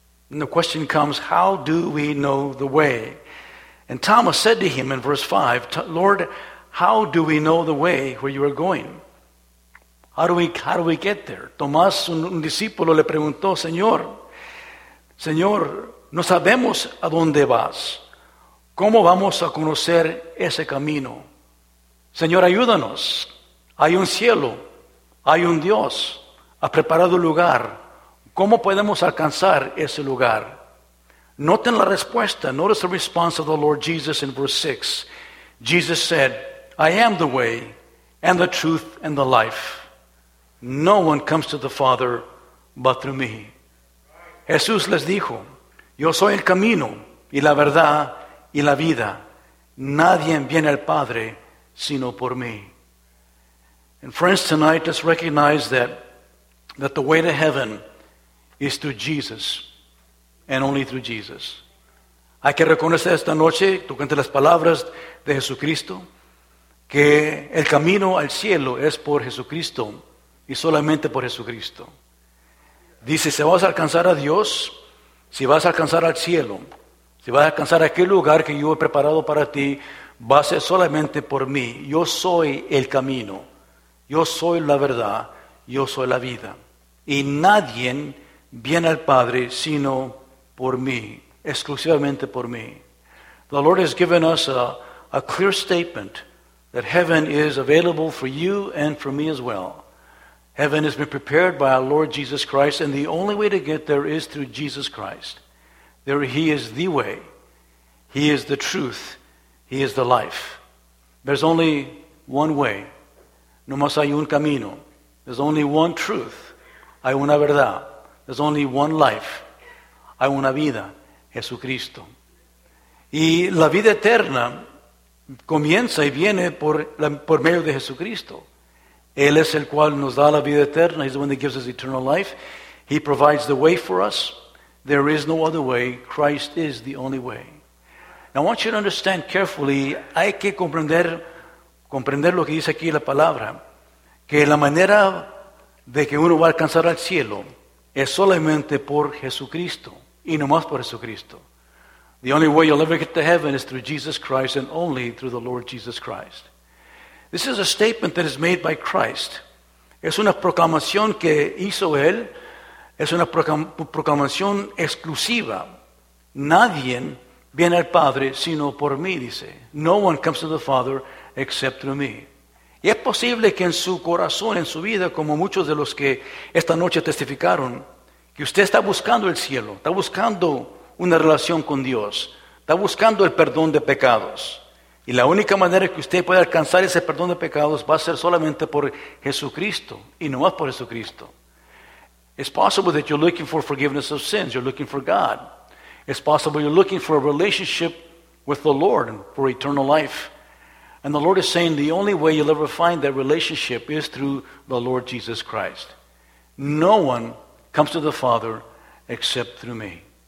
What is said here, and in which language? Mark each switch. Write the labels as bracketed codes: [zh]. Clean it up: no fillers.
[en] And the question comes, how do we know the way? And Thomas said to him in verse 5, "Lord, how do we know the way where you are going?" How do we get there? [es] Tomás, un discípulo, le preguntó, Señor, no sabemos a dónde vas. ¿Cómo vamos a conocer ese camino? Señor, ayúdanos. Hay un cielo. Hay un Dios. Ha preparado un lugar. ¿Cómo podemos alcanzar ese lugar? Noten la respuesta. [en] Notice the response of the Lord Jesus in verse 6. Jesus said, "I am the way and the truth and the life. No one comes to the Father but through me." [es] Jesús les dijo, "Yo soy el camino y la verdad y la vida. Nadie viene al Padre sino por mí." [en] And friends, tonight, let's recognize that the way to heaven is through Jesus, and only through Jesus. [es] Hay que reconocer esta noche, durante las palabras de Jesucristo, que el camino al cielo es por Jesucristo, y solamente por Jesucristo. Dice, si vas a alcanzar a Dios, si vas a alcanzar al cielo, si vas a alcanzar aquel lugar que yo he preparado para ti, va a ser solamente por mí. Yo soy el camino, yo soy la verdad, yo soy la vida. Y nadie viene al Padre sino por mí, exclusivamente por mí. [en] The Lord has given us a clear statement that heaven is available for you and for me as well. Heaven has been prepared by our Lord Jesus Christ, and the only way to get there is through Jesus Christ. There, He is the way. He is the truth. He is the life. There's only one way. [es] No más hay un camino. [en] There's only one truth. [es] Hay una verdad. [en] There's only one life. [es] Hay una vida. Jesucristo. Y la vida eterna comienza y viene por medio de Jesucristo. Él es el cual nos da la vida eterna. [en] He's the one that gives us eternal life. He provides the way for us. There is no other way. Christ is the only way. Now I want you to understand carefully. [es] Hay que comprender lo que dice aquí la palabra. Que la manera de que uno va a alcanzar al cielo es solamente por Jesucristo, y no más por Jesucristo. [en] The only way you'll ever get to heaven is through Jesus Christ, and only through the Lord Jesus Christ. This is a statement that is made by Christ. [es] Es una proclamación que hizo Él. Es una proclamación exclusiva. Nadie viene al Padre sino por mí, dice. [en] No one comes to the Father except through me. [es] Y es posible que en su corazón, en su vida, como muchos de los que esta noche testificaron, que usted está buscando el cielo, está buscando una relación con Dios, está buscando el perdón de pecados, Y la única manera que usted puede alcanzar ese perdón de pecados va a ser solamente por Jesucristo, y no más por Jesucristo. [en] It's possible that you're looking for forgiveness of sins. You're looking for God. It's possible you're looking for a relationship with the Lord for eternal life. And the Lord is saying the only way you'll ever find that relationship is through the Lord Jesus Christ. No one comes to the Father except through me.